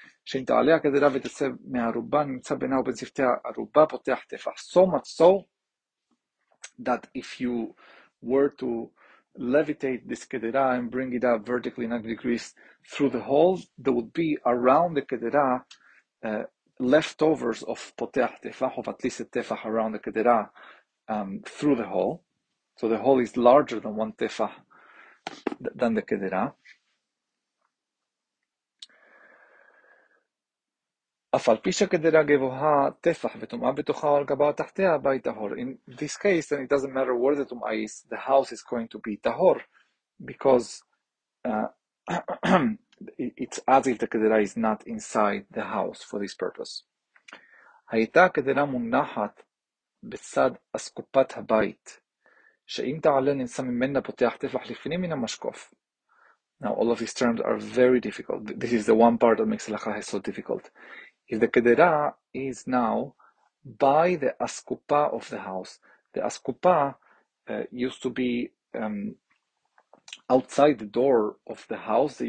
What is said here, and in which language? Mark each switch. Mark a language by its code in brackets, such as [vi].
[en] So much so that if you were to levitate this kedera and bring it up vertically 90 degrees through the hole, there would be around the kedera leftovers of poteach tefach, of at least a tefach around the kedera through the hole. So the hole is larger than one tefach, than the kedera. [he] אף על פי שכדרה גבוהה טפח וטומאה בתוכה או על גבה תחתיה, הבית טהור. [en] In this case, then it doesn't matter where the טומאה is, the house is going to be טהור, because it's as if the כדרה is not inside the house for this purpose. [he] הייתה כדרה מונחת בצד אסקופת הבית, שאם תעלה נמצא ממנה פותח טפח לפנים מן המשקוף. [en] Now all of these terms are very difficult. This is the one part that makes halacha so difficult. If the kedera is now by the askupa of the house, the askupa used to be outside the door of the house.